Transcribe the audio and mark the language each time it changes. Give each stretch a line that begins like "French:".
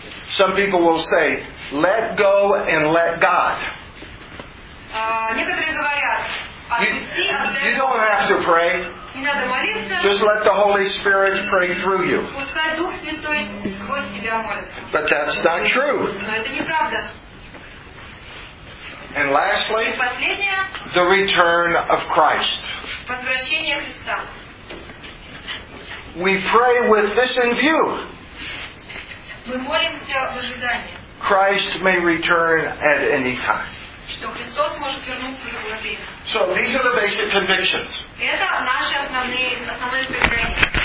English: Some people will say, let go and let God.
Russian: Некоторые говорят, отпусти,
English: you don't have to pray.
Russian: Не надо молиться.
English: Just let the Holy Spirit pray through you.
Russian: Пускай Дух Святой сквозь тебя молится.
English: But that's not true.
Russian: Но это неправда.
English: And lastly, the return of Christ.
Russian: Возвращение Христа.
English: We pray with this in view.
Russian: Мы молимся в ожидании.
English: Christ may return at any time.
Russian: Что Христос может вернуться в любое время.
English: So these are the basic convictions.
Russian: Это наши основные предпринимания.